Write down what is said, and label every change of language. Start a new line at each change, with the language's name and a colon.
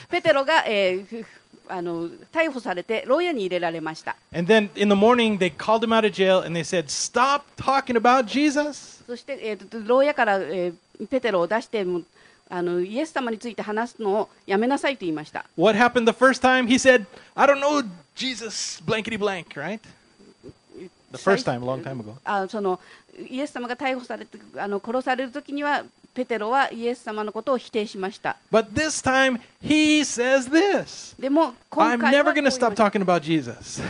Japanese: ペテロが、逮捕されて牢屋に入れられました。
English: morning, said,
Japanese: そして、牢屋から、ペテロを出して、あのイエス様について話すのをやめなさいと言いました。
English: What happened the first time? He said, I don't know Jesus, blankety blank, right? The first time, a long time ago.
Japanese: そのイエス様が逮捕されて、あの殺されるときにはペテロはイエス様のことを否定しました。
English: But this time he says this.
Japanese: でも今回は、
English: I'm never going to stop talking about Jesus.